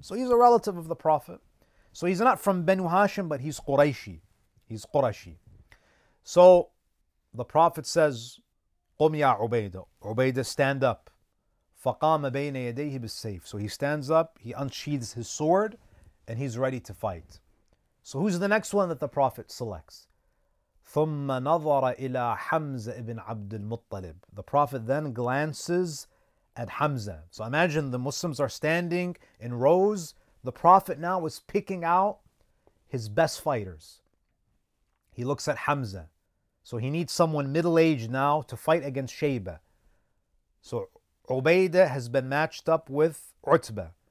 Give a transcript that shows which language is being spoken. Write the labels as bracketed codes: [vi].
[en] So he's a relative of the Prophet. So he's not from Banu Hashim, but he's Qurayshi. He's Qurayshi. So the Prophet says, [ar] قُمْ يَا عُبَيْدَةُ. [en] Ubaidah, stand up. [ar] فَقَامَ بَيْنَ يَدَيْهِ بِالسَّيْفِ. [en] So he stands up, he unsheathes his sword, and he's ready to fight. So who's the next one that the Prophet selects? [ar] ثم نظر إلى حمزة ابن عبد المطلب. [en] The Prophet then glances at Hamza. So imagine the Muslims are standing in rows. The Prophet now is picking out his best fighters. He looks at Hamza. So he needs someone middle-aged now to fight against Shaybah. So Ubaidah has been matched up with Utbah.